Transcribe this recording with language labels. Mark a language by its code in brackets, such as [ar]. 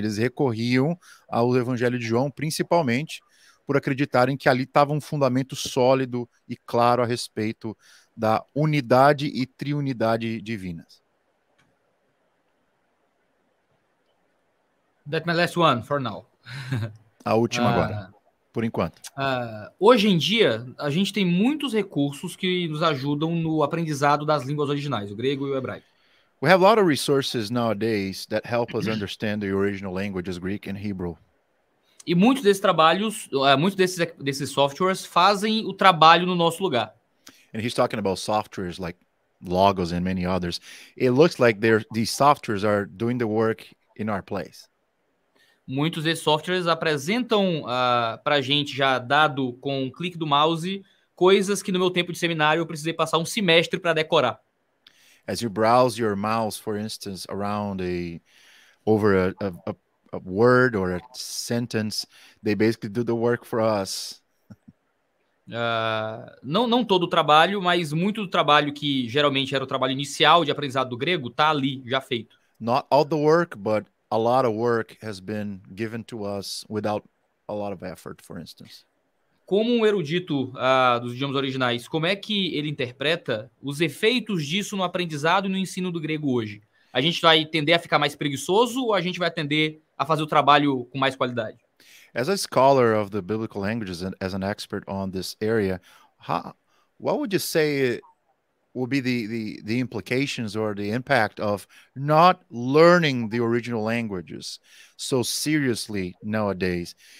[pt] Eles recorriam ao Evangelho de João, principalmente por acreditarem que ali estava um fundamento sólido e claro a respeito da unidade e triunidade divinas. [en] That's my last one for now. [pt] A última agora, por enquanto. Hoje em dia, a gente tem muitos recursos que nos ajudam no aprendizado das línguas originais, o grego e o hebraico. [en] We have a lot of resources nowadays that help us understand the original languages, Greek and Hebrew. [pt] E muitos desses trabalhos, muitos desses softwares fazem o trabalho no nosso lugar. [en] And he's talking about softwares like Logos and many others. It looks like these softwares are doing the work in our place. [pt] Muitos desses softwares apresentam para a gente, já dado com um clique do mouse, coisas que no meu tempo de seminário eu precisei passar um semestre para decorar. [en] As you browse your mouse, for instance, over a word or a sentence, they basically do the work for us. [pt] Não todo o trabalho, mas muito do trabalho que geralmente era o trabalho inicial de aprendizado do grego está ali, já feito. [en] Not all the work, but a lot of work has been given to us without a lot of effort, for instance. [pt] Como um erudito dos idiomas originais, como é que ele interpreta os efeitos disso no aprendizado e no ensino do grego hoje? A gente vai tender a ficar mais preguiçoso ou a gente vai tender a fazer o trabalho com mais qualidade? [en] As a scholar of the biblical languages and as an expert on this area, what would you say would be the implications or the impact of not learning the original languages so seriously nowadays?